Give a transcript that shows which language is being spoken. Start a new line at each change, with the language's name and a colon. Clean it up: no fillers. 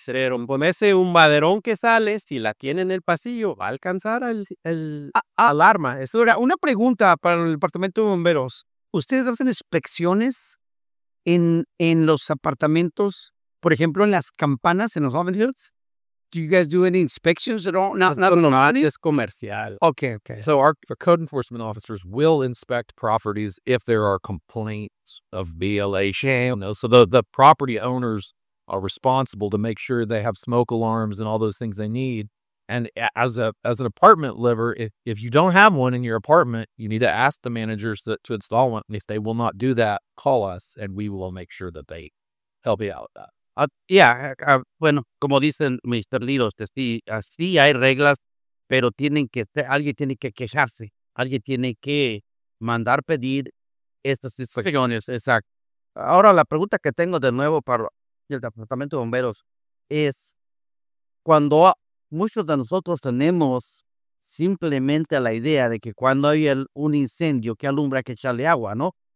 Spanish: Pero ese un maderón que sale, si la tiene en el pasillo, va a alcanzar alarma. Eso era una pregunta para el departamento de bomberos. ¿Ustedes hacen inspecciones en los apartamentos? Por ejemplo, en las campanas, en los
English: oven hoods. Do you guys do any inspections at all?
Spanish: No, es comercial.
English: Okay. So our code enforcement officers will inspect properties if there are complaints of BLA. So the property owners are responsible to make sure they have smoke alarms and all those things they need. And as an apartment liver, if you don't have one in your apartment, you need to ask the managers to install one. And if they will not do that, call us and we will make sure that they help you out with that.
Spanish: Bueno, como dicen Mr. Lilo, sí hay reglas, pero alguien tiene que quejarse, alguien tiene que mandar pedir estas inspecciones. Exacto. Ahora, la pregunta que tengo de nuevo para el Departamento de Bomberos es, cuando muchos de nosotros tenemos simplemente la idea de que cuando hay un incendio que alumbra hay que echarle agua, ¿no?